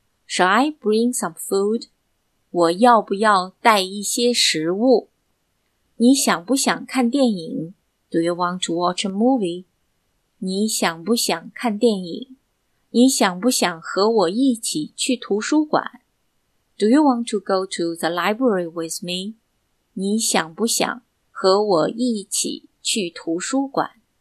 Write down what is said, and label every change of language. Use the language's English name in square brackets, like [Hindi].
[English] Shall I bring some food? [Chinese] 我要不要带一些食物? 你想不想看电影? [English] Do you want to watch a movie? [Chinese] 你想不想看电影? 你想不想和我一起去图书馆? [English] Do you want to go to the library with me? [Chinese] 你想不想和我一起去图书馆?